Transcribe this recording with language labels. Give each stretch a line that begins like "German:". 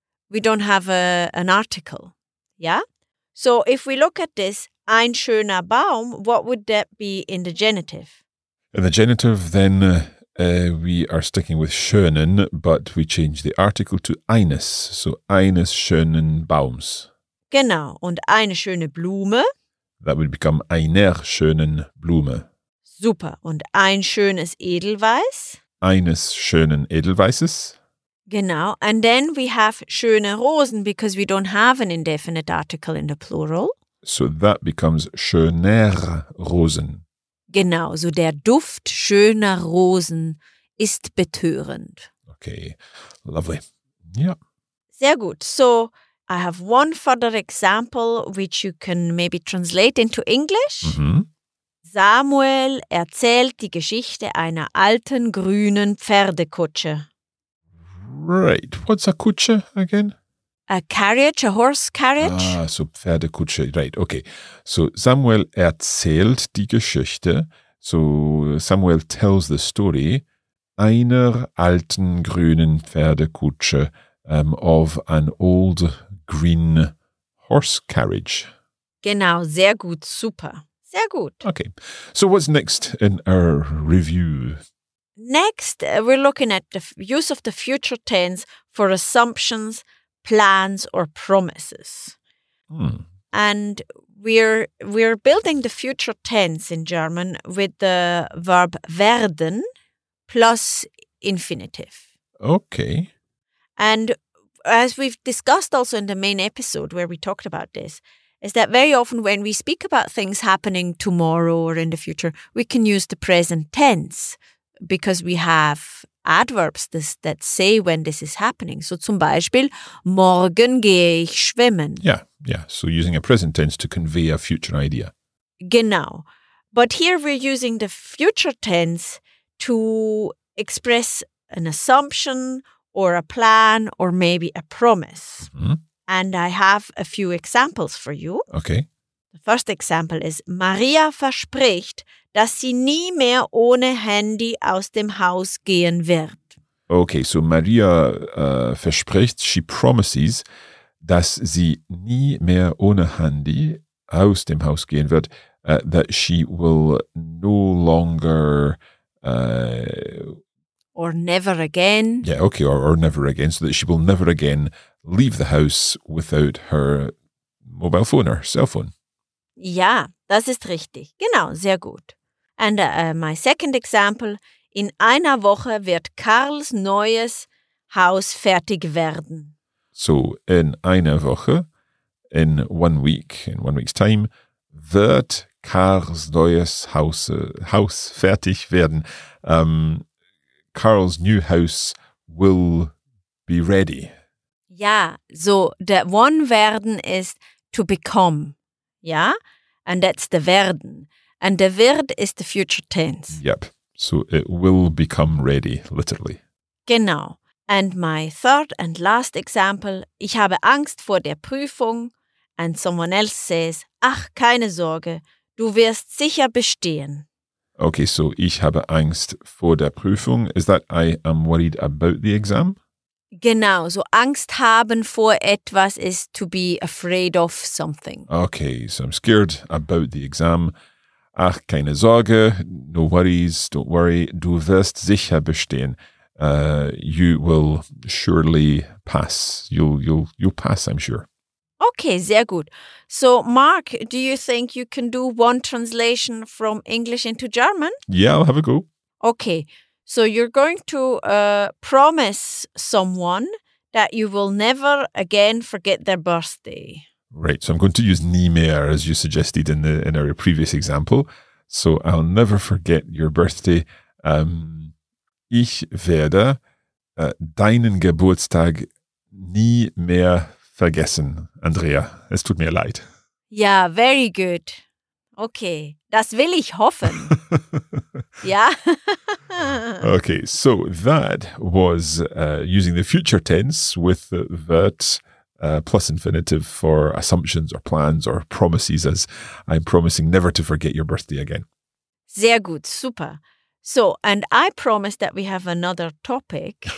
English: we don't have an article, yeah. So if we look at this
German: ein schöner Baum,
English: what would that be in the genitive? In the genitive, then we are sticking with schönen, but we change the article to eines.
German: So eines schönen Baums. Genau, und eine schöne Blume.
English: That would become
German: einer schönen Blume. Super, und ein schönes Edelweiß. Eines schönen Edelweißes.
English: Genau, and then we have
German: schöne Rosen,
English: because we don't have an indefinite article in the plural. So that becomes
German: schöner Rosen. Genau, so der Duft schöner Rosen ist betörend.
English: Okay, lovely. Yeah.
German: Sehr gut.
English: So I have one further example which you can maybe translate into English.
German: Samuel erzählt die Geschichte einer alten grünen Pferdekutsche.
English: Right. What's a kutsche again? A carriage, a horse carriage. Ah, so Pferdekutsche. Right, okay.
German: So Samuel erzählt die Geschichte.
English: So Samuel tells the story
German: einer alten grünen Pferdekutsche
English: of an old green horse carriage.
German: Genau, sehr gut, super. Sehr gut.
English: Okay. So what's next in our review? Next, we're looking at the use of the future tense for assumptions, plans, or promises. And we're building the future tense in German with the verb werden plus infinitive. Okay. And as we've discussed also in the main episode where we talked about this, is that very often when we speak about things happening tomorrow or in the future, we can use the present tense because we have adverbs that say when this is happening.
German: So zum Beispiel, morgen gehe ich schwimmen.
English: Yeah, yeah. So using a present tense to convey a future idea.
German: Genau.
English: But here we're using the future tense to express an assumption or a plan or maybe a promise. And I have a few examples for you. Okay. The first example is,
German: Maria verspricht, dass sie nie mehr ohne Handy aus dem Haus gehen wird. Okay, so Maria verspricht,
English: she promises,
German: dass sie nie mehr ohne Handy aus dem Haus gehen wird,
English: that she will no longer... Or never again. Yeah, okay, or never again, so that she will never again leave the house without her mobile phone or cell phone.
German: Ja, das ist richtig. Genau, sehr gut.
English: And my second example,
German: in einer Woche wird Karls neues Haus fertig werden. So, in einer Woche,
English: in 1 week's time,
German: wird Karls neues Haus fertig werden.
English: Karls new house will be ready. Ja, so the one werden is to become, ja? And that's the werden. And the wird is the future tense. Yep, so it will become ready, literally.
German: Genau.
English: And my third and last example,
German: ich habe Angst vor der Prüfung.
English: And someone else says,
German: ach, keine Sorge, du wirst sicher bestehen. Okay, so ich habe Angst vor der Prüfung.
English: Is that I am worried about the exam? Genau, so
German: Angst haben vor etwas
English: is to be afraid of something. Okay, so I'm scared about the exam.
German: Ach, keine Sorge,
English: no worries, don't worry.
German: Du wirst sicher bestehen.
English: You will surely pass. You'll pass, I'm sure.
German: Okay, sehr gut.
English: So, Mark, do you think you can do one translation from English into German? Yeah, I'll have a go. Okay, so you're going to promise someone that you will never again forget their birthday. Right, so I'm going to use nie mehr, as you suggested in our previous example. So I'll never forget your birthday.
German: Ich werde deinen Geburtstag nie mehr vergessen, Andrea. Es tut mir leid.
English: Ja, very good.
German: Okay, das will ich hoffen. Ja.
English: Okay, so that was using the future tense with the wird plus infinitive for assumptions or plans or promises, as I'm promising never to forget your birthday again.
German: Sehr gut, super.
English: So, and I promise that we have another topic.